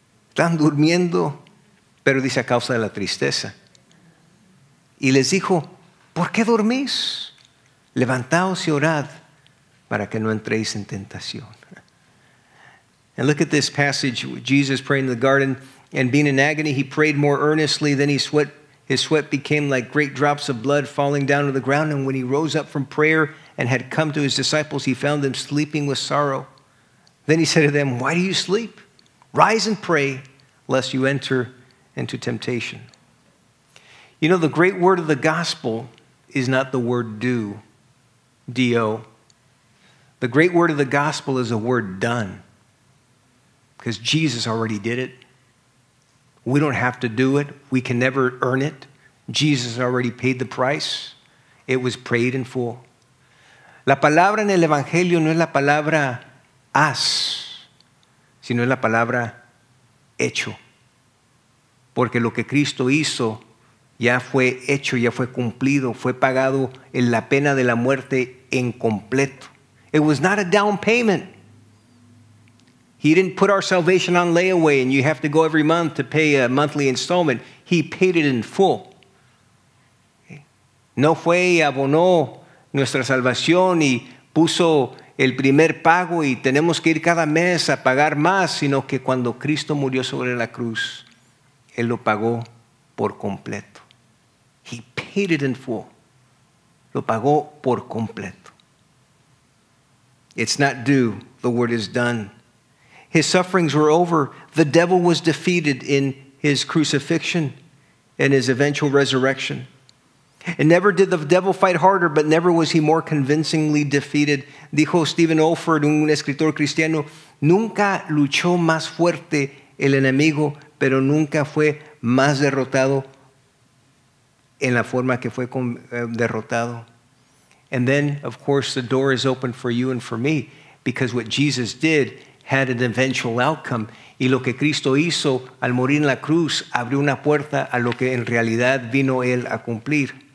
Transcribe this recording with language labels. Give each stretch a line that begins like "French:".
Spanish: Estaban durmiendo, pero dice a causa de la tristeza. Y les dijo, ¿por qué dormís? Levantaos y orad para que no entréis en tentación.
English: And look at this passage, Jesus praying in the garden, and being in agony, he prayed more earnestly. Then his sweat became like great drops of blood falling down to the ground. And when he rose up from prayer and had come to his disciples, he found them sleeping with sorrow. Then he said to them, "Why do you sleep? Rise and pray, lest you enter into temptation." You know, the great word of the gospel is not the word do, D-O. The great word of the gospel is the word done, because Jesus already did it. We don't have to do it. We can never earn it. Jesus already paid the price. It was paid in full.
Spanish: La palabra en el Evangelio no es la palabra haz, sino es la palabra hecho. Porque lo que Cristo hizo ya fue hecho, ya fue cumplido, fue pagado en la pena de la muerte en completo.
English: It was not a down payment. He didn't put our salvation on layaway and you have to go every month to pay a monthly installment. He paid it in full.
Spanish: No fue y abonó nuestra salvación y puso el primer pago y tenemos que ir cada mes a pagar más, sino que cuando Cristo murió sobre la cruz, Él lo pagó por completo.
English: He paid it in full.
Spanish: Lo pagó por completo.
English: It's not due. The word is done. His sufferings were over. The devil was defeated in his crucifixion and his eventual resurrection. And never did the devil fight harder, but never was he more convincingly defeated.
Spanish: Dijo Stephen Olford, un escritor cristiano, nunca luchó más fuerte el enemigo, pero nunca fue más derrotado en la forma que fue derrotado.
English: And then, of course, the door is open for you and for me, because what Jesus did had an eventual outcome.
Spanish: Y lo que Cristo hizo al morir en la cruz abrió una puerta a lo que en realidad vino Él a cumplir.